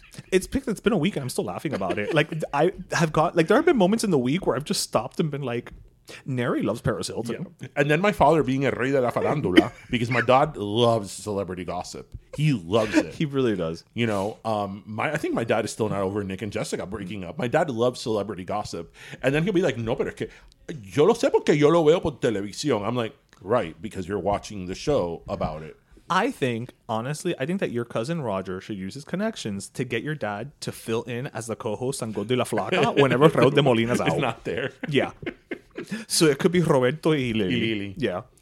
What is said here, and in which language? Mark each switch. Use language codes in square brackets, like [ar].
[en] it's been a week and I'm still laughing about it. Like, I have got, like, there have been moments in the week where I've just stopped and been like, Neri loves Paris Hilton. Yeah. And then my father being a [es] rey de la farándula, [en] because my dad loves celebrity gossip. He loves it. He really does. You know, I think my dad is still not over Nick and Jessica breaking up. My dad loves celebrity gossip. And then he'll be like, [es] no, pero es que yo lo sé porque yo lo veo por televisión. [en] I'm like, right, because you're watching the show about it. I think, honestly, I think that your cousin Roger should use his connections to get your dad to fill in as the co-host on God de la Flaca whenever Raúl de Molina's out. He's not there. Yeah. So it could be Roberto y Lili. Yeah.